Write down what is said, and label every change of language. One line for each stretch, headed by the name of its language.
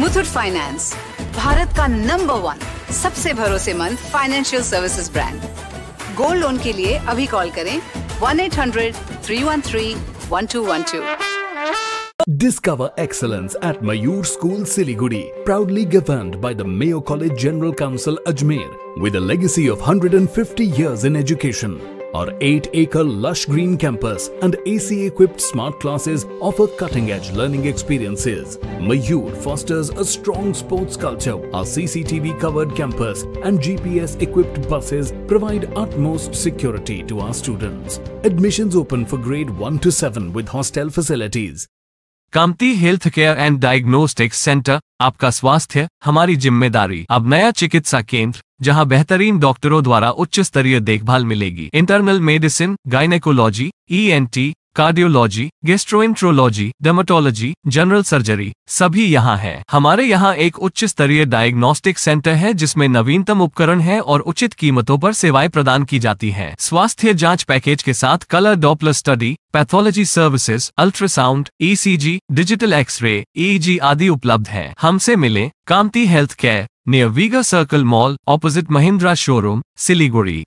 Hindi: Muthoot finance Bharat का number one सबसे भरोसेमंद financial services brand gold loan के लिए अभी कॉल करें 1-800-313-1212
English: Discover excellence at Mayur School Siliguri, proudly governed by the Mayo College General Council Ajmer, with a legacy of 150 years in education. Our 8-acre lush green campus and AC-equipped smart classes offer cutting-edge learning experiences. Mayur fosters a strong sports culture. Our CCTV-covered campus and GPS-equipped buses provide utmost security to our students. Admissions open for grade 1 to 7 with hostel facilities.
Hindi: Kamti health care and diagnostics centre आपका स्वास्थ्य हमारी जिम्मेदारी अब नया चिकित्सा केंद्र जहां बेहतरीन डॉक्टरों द्वारा उच्च स्तरीय देखभाल मिलेगी internal medicine gynaecology ENT cardiology गेस्ट्रोएंट्रोलॉजी dermatology general surgery सभी यहां है हमारे यहां एक उच्च स्तरीय डायग्नोस्टिक सेंटर है जिसमें नवीनतम उपकरण है और उचित कीमतों पर सेवाएं प्रदान की जाती हैं स्वास्थ्य जांच पैकेज के साथ colour Doppler study pathology services ultrasound ECG digital x ray EEG आदि उपलब्ध है हमसे मिले कामती health care
English: Near Vega Circle Mall, opposite Mahindra Showroom, Siliguri.